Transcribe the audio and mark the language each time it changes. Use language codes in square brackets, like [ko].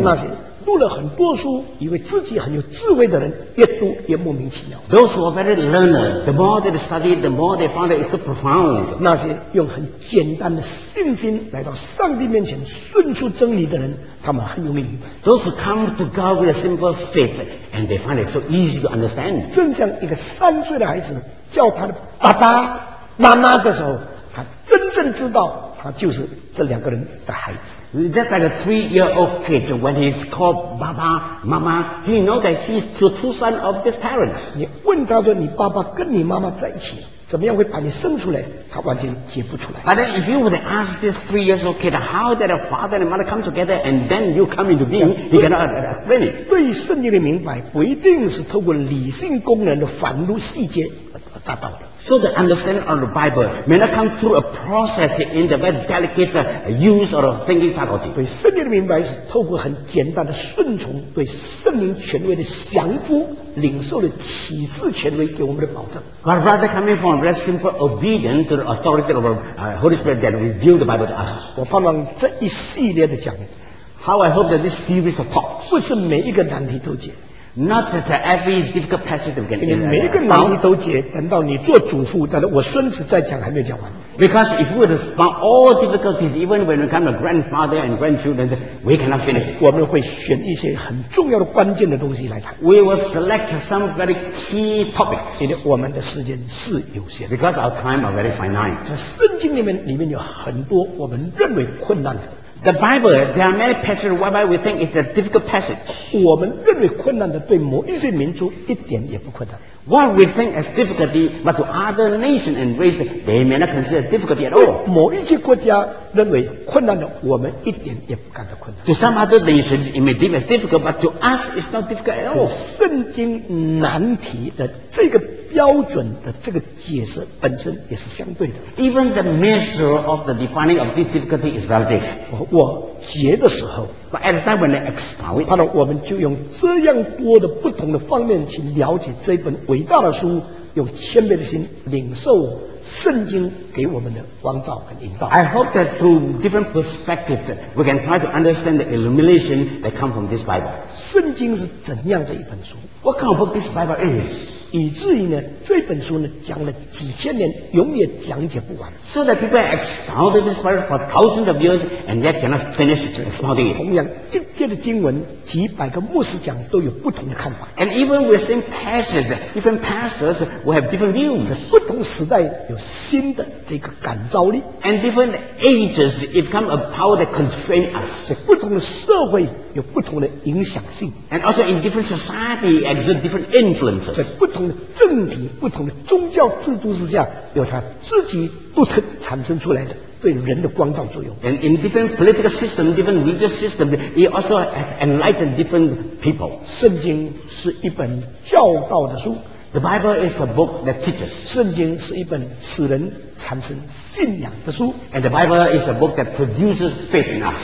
[zh] 那些读了很多书，以为自己很有智慧的人，越读越莫名其妙。 [en] Those who are very learned, the more they study, the more they find that it's so profound. [zh] 那些用很简单的信心来到上帝面前顺出真理的人，他们很容易明白。 [en] Those who come to God with a simple faith, and they find it so easy to understand. [zh] 正像一个3岁的孩子叫他的爸爸、妈妈的时候，他真正知道。他就是这两个人的孩子。 [en] That's like a 3-year-old kid when he's called [zh] 爸爸妈妈 [en] he knows that he's the true son of his parents. [zh] 你问他说你爸爸跟你妈妈在一起怎么样会把你生出来他完全解不出来。 [en] But then if you would ask this 3-year-old kid how did a father and a mother come together and then you come into being, he cannot explain it. [zh] 对圣经的明白不一定是透过理性功能的繁缛细节 [en] So the understanding of the Bible may not come through a process in the very delicate use of thinking faculty. [zh] 对圣灵的明白是透过很简单的顺从，对圣灵权威的降服，领受了启示权威给我们的保证。 [en] But rather coming from a very simple obedience to the authority of our Holy Spirit that revealed the Bible to us. [zh] 我盼望这一系列的讲义 [en] ，How I hope that this series of talks [zh] 不是每一个难题都解。 [en] Not that every difficult passage we can get. [zh] 每一个难题都解，等到你做祖父，等到我孙子再讲，还没有讲完。 [en] Because if we have found all difficulties, even when we come to grandfather and grandchildren, we cannot finish. [zh] 我们会选一些很重要的关键的东西来谈。 [en] We will select some very key topics. [zh] 因为我们的时间是有限。 [en] Because our time are very finite. [zh] 在圣经里面有很多我们认为困难的。 [en] The Bible, there are many passages whereby we think it's a difficult passage. [zh] 我们认为困难的对某一些民族一点也不困难。 [en] What we think as difficulty, but to other nations and races, they may not consider difficulty at all. [zh] 某一些国家认为困难的，我们一点也不感到困难。 [en] To some other nations, it may deem as difficult, but to us, it's not difficult at all. [zh] 圣经难题的这个标准的这个解释本身也是相对的。 [en] Even the measure of the defining of this difficulty is relative. [zh] 我解的时候 [en] ，But at the time when I expound it, [zh] 那我们就用这样多的不同的方面去了解这本伟大的书，用谦卑的心领受圣经给我们的光照和引导。 [en] I hope that through different perspectives, we can try to understand the illumination that comes from this Bible. [zh] 圣经是怎样的一本书 [en] ？What kind of book this Bible is? [zh] 以至于呢，这本书呢讲了几千年，永远讲解不完。 [en] So that people expounded this verse for thousands of years and yet cannot finish expounding it. [zh] 同样，一节的经文，几百个牧师讲都有不同的看法。 [en] And even with same passage, different pastors will have different views. [zh] 不同时代有新的这个感召力。 [en] And different ages, if come a power that constrains us. [zh] 不同的社会有不同的影响性。 [en] And also in different society, exert different influences. [zh] 不同的政体、不同的宗教制度之下，有它自己不同产生出来的对人的光照作用。 [en] And in different political system, different religious system, it also has enlightened different people. [zh] 圣经是一本教导的书。 [en] The Bible is a book that teaches. [zh] 圣经是一本使人产生信仰的书。 [en] And the Bible is a book that produces faith in us.